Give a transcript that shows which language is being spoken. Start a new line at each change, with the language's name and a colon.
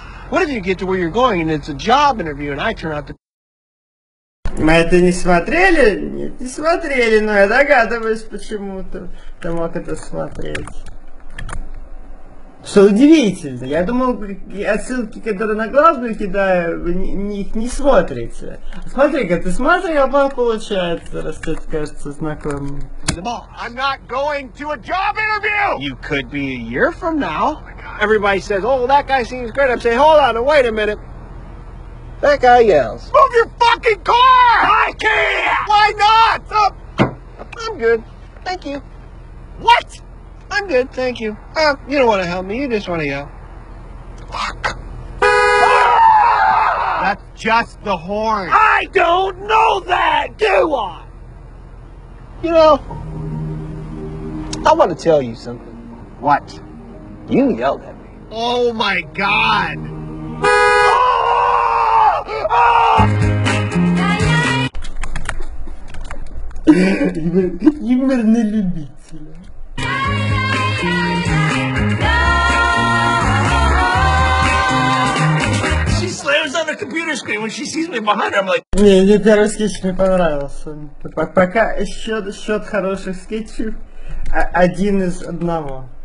English: What if you get to where you're going and it's a job interview and I turn out to...
Russian: Мы это не смотрели? Нет, не смотрели, но я догадываюсь почему-то, кто мог это смотреть. Что удивительно, я думал, отсылки, которые на главную кидаю, вы их не смотрите. Смотри-ка, ты смотрел, а получается, раз тебе кажется знакомым.
English: I'm not going to a job interview! You could be a year from now. Everybody says, oh, well, that guy seems great. I'm saying, hold on, wait a minute. That guy yells. Move your fucking car! I can't! Why not? I'm good. Thank you. What? I'm good, thank you. You don't want to help me, you just want to yell. Fuck. That's just the horn. I don't know that, do I? You know, I want to tell you something. What? You yelled at me. Oh my god!
Russian: Юморный любитель.
English: She slams on the computer screen when she sees me behind her. I'm like,
Russian: не, мне первый скетч не понравился. Пока счет хороших скетчей один из одного.